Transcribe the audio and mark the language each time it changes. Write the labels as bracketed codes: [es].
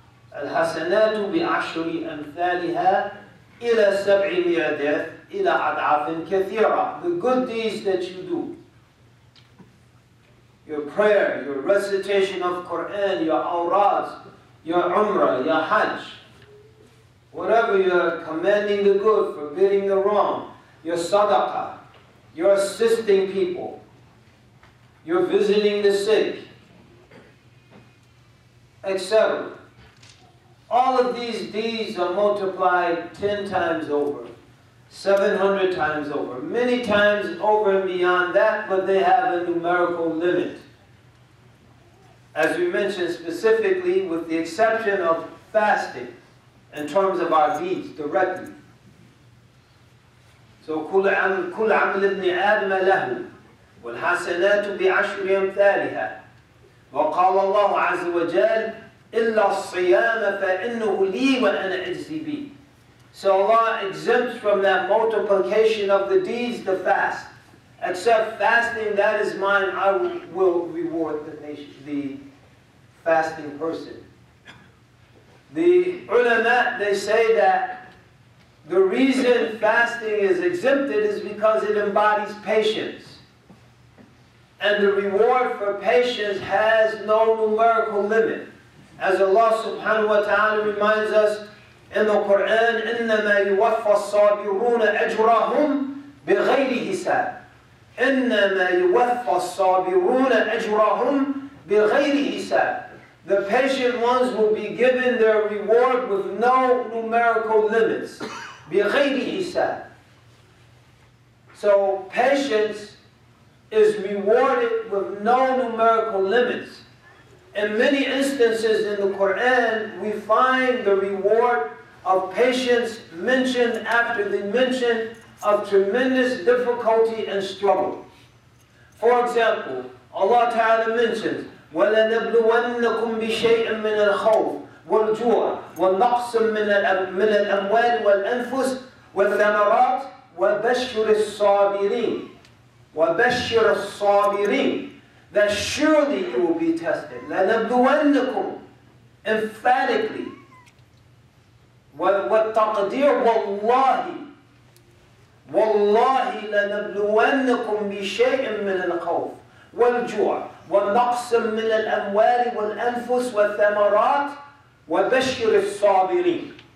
[ar] الحسنات بعشر أمثالها إلى سبع مئات إلى أضعاف كثيرة. [en] The good deeds that you do, your prayer, your recitation of Quran, your awrads, your umrah, your hajj, whatever you're commanding the good, forbidding the wrong, your sadaqah, your assisting people, your visiting the sick, etc. All of these deeds are multiplied 10 times over 700 times over, many times over and beyond that, but they have a numerical limit. As we mentioned specifically, with the exception of fasting, in terms of our deeds directly. [ar] So كل عمل ابن آدم له والحسنات بعشر أمثالها وقال الله عز وجل إلا الصيام فإنه لي وأنا أجزي به. [en] So Allah exempts from that multiplication of the deeds the fast. Except fasting, that is mine, I will reward the nation, the fasting person. The ulama, they say that the reason fasting is exempted is because it embodies patience. And the reward for patience has no numerical limit. As Allah subhanahu wa ta'ala reminds us, in the Quran, [ar] إِنَّمَا يُوَفَّى الصَّابِرُونَ أَجْرَهُمْ بِغَيْرِ حِسَابٍ إِنَّمَا يُوَفَّى الصَّابِرُونَ أَجْرَهُمْ بِغَيْرِ حِسَابٍ. [en] The patient ones will be given their reward with no numerical limits. [ar] بِغَيْرِ حِسَابٍ. [en] So patience is rewarded with no numerical limits. In many instances in the Quran, we find the reward of patience mentioned after the mention of tremendous difficulty and struggle. For example, Allah Ta'ala mentions, [ar] وَلَنَبْلُوَنَّكُمْ بِشَيْءٍ مِنَ الْخَوْفِ وَالْجُوعِ وَالنَّقْصٍ مِنَ الْأَمْوَالِ وَالْأَنْفُسِ وَالثَّمَرَاتِ وَبَشِّرِ الصَّابِرِينَ وَبَشِّرِ الصَّابِرِينَ. [en] That surely you will be tested. [ar] لَنَبْلُوَنَّكُمْ [en] emphatically. [ar] وَالتَّقْدِيرُ وَاللَّهِ وَاللَّهِ لَنَبْلُوَنَّكُمْ بِشَيْءٍ مِنَ الْخَوْفِ وَالْجُوعِ وَالنَّقْصٍ مِنَ الْأَمْوَالِ وَالْأَنْفُسِ وَالثَّمَرَاتِ وَبَشِّرِ الصَّابِرِينَ.